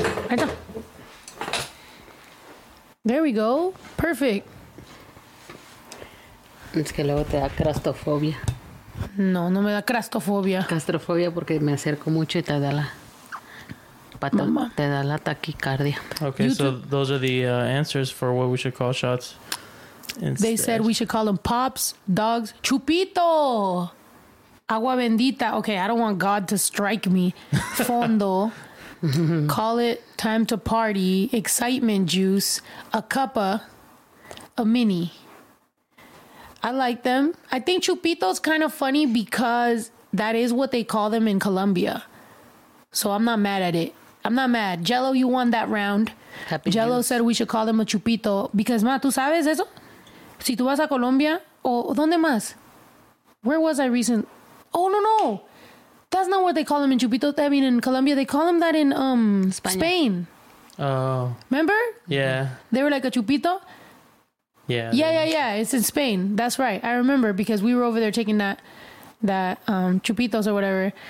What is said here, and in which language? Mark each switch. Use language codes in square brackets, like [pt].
[es] Ahí está. [en] There we go. Perfect. [es] Es que luego te da crastofobia. No, no me da crastofobia. Crastofobia porque me acerco mucho y te da la... Te da la taquicardia. [en] Okay, you so those are the answers for what we should call shots. Instead. They said we should call them pops, dogs, chupito, agua bendita. Okay, I don't want God to strike me. Fondo. Call it time to party, excitement juice, a cuppa, a mini. I like them. I think chupito's kind of funny because that is what they call them in Colombia. So I'm not mad at it. I'm not mad. Jello, you won that round. Happy Jello news. Said we should call them a chupito. Because, ma, [es] ¿tú sabes eso? Si tú vas a Colombia, o ¿dónde más? [en] Where was I recent? Oh, no, no. That's not what they call them in chupito. I mean, in Colombia, they call them that in España. Spain. Oh. Remember? Yeah. They were like a chupito? Yeah. It's in Spain. That's right. I remember because we were over there taking that chupitos or whatever.